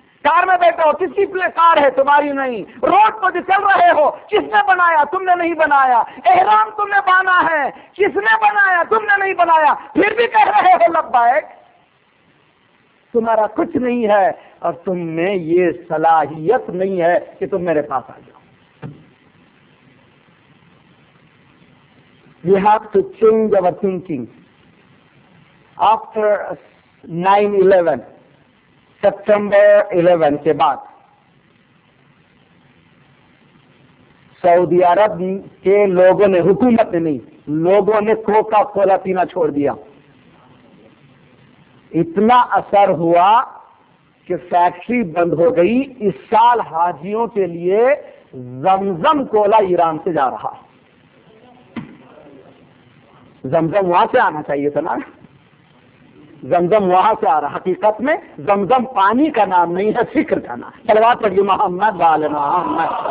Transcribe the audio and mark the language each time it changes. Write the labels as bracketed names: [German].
[Urdu] کار میں بیٹھا ہو, کس کی کار ہے؟ تمہاری نہیں. روڈ پر جو چل رہے ہو, کس نے بنایا؟ تم نے نہیں بنایا. احرام تم نے باندھا ہے, کس نے بنایا؟ تم نے نہیں بنایا, پھر بھی کہہ رہے ہو لبیک. تمہارا کچھ نہیں ہے اور تم میں یہ صلاحیت نہیں ہے کہ تم میرے پاس آ جاؤ. [English] We have to change our thinking. After 9/11, [Urdu] September 11 کے بعد سعودی عرب کے لوگوں نے, حکومت نے نہیں, لوگوں نے کوکا کولا پینا چھوڑ دیا. اتنا اثر ہوا کہ فیکٹری بند ہو گئی. اس سال حاجیوں کے لیے زمزم کولا ایران سے جا رہا, زمزم وہاں سے آنا چاہیے تھا نا, زمزم وہاں سے آ رہا. حقیقت میں زمزم پانی کا نام نہیں ہے, فکر کا نام. صلوات پڑھیے محمد وآل محمد.